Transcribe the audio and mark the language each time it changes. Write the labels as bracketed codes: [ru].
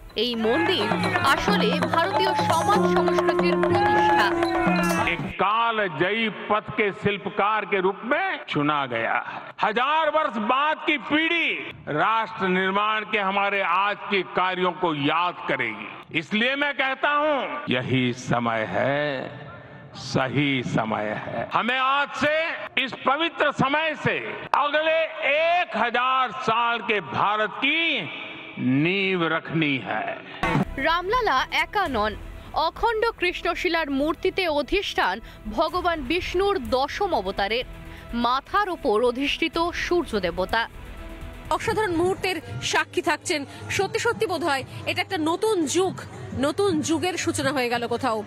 [bn] এই মন্দির আসলে ভারতীয় সমাজ সংস্কৃতির প্রতিষ্ঠা। [hi] এক কাল জয়ী পথ কে শিল্পকার কে রূপ মে চুনা গয়া। হাজার বর্ষ বাদ কি পিঢ়ি রাষ্ট্র নির্মাণ কে হামারে আজ কে কার্যো কো ইয়াদ করেগি। इसलिए मैं कहता हूं यही समय है, सही समय है। हमें आज से, इस पवित्र समय से अगले 1000 साल के भारत की नींव रखनी है। [bn] রামলালা একা নন, অখণ্ড কৃষ্ণশিলার মূর্তিতে অধিষ্ঠান ভগবান বিষ্ণুর দশম অবতারের, মাথার উপর অধিষ্ঠিত সূর্য দেবতা। অসাধারণ মুহূর্তের সাক্ষী থাকছেন। সত্যি সত্যি বোধ হয় এটা একটা নতুন যুগ, নতুন যুগের সূচনা হয়ে গেল কোথাও।